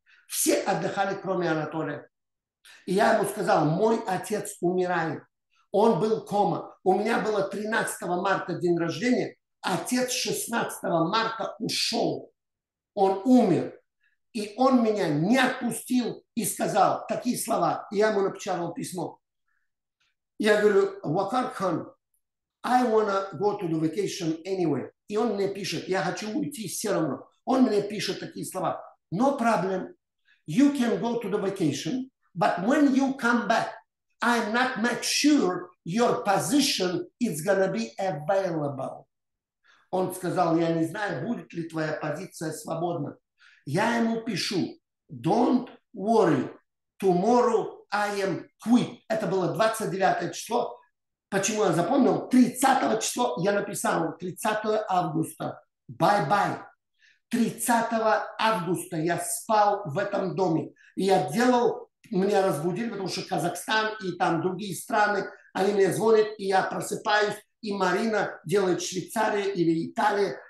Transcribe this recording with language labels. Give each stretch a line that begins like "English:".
Russian: Все отдыхали, кроме Анатолия. И я ему сказал: мой отец умирает. Он был в коме. У меня было 13 марта день рождения. Отец 16 марта ушел. Он умер. И он меня не отпустил и сказал такие слова. Я ему напечатал письмо. Я говорю:
English: Вакар Хан, I wanna go to the vacation anyway.
Russian: И он мне пишет: я хочу уйти все равно. Он мне пишет такие слова:
English: no problem, you can go to the vacation, but when you come back, I'm not make sure your position is gonna be available.
Russian: Он сказал: я не знаю, будет ли твоя позиция свободна. Я ему пишу:
English: don't worry, tomorrow I am quit.
Russian: Это было 29 число. Почему я запомнил? 30 число я написал, 30 августа,
English: bye-bye.
Russian: 30 августа я спал в этом доме. Я делал, меня разбудили, потому что Казахстан и там другие страны, они мне звонят, и я просыпаюсь, и Марина делает Швейцария или Италия.